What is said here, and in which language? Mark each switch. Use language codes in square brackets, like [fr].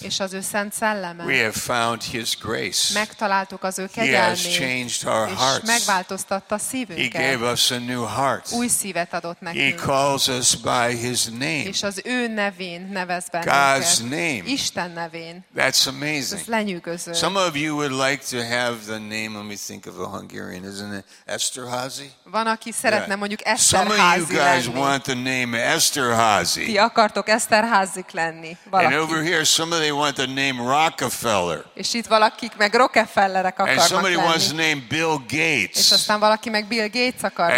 [hu] És az ő szent szelleme. [en] We have found his grace. [hu] Megtaláltuk az ő kegyelmét. [en] He has changed our hearts. [hu] És megváltoztatta a szívünket. [en] He gave us a new heart. [hu] Új szívet adott nekünk. [en] He calls us by his name. [hu] És az ő nevén nevez bennünket. [en] God's name. [hu] Isten nevén. [en] That's amazing. [hu] Ez lenyűgöző. [en] Some of you would like to have the name, let me think of a Hungarian, isn't it? Esterházy? [hu] Van, aki szeretne mondjuk Esterházy lenni. [en] Some of you guys [hu] lenni. [en] Want the name Esterházy. [hu] Ti akartok Eszterházik lenni valaki. [en] And over here somebody want the name Rockefeller. [hu] És itt valakik meg Rockefellerek akarnak lenni. [en] And somebody wants the name Bill Gates. [hu] És aztán valaki meg Bill Gates akar lenni.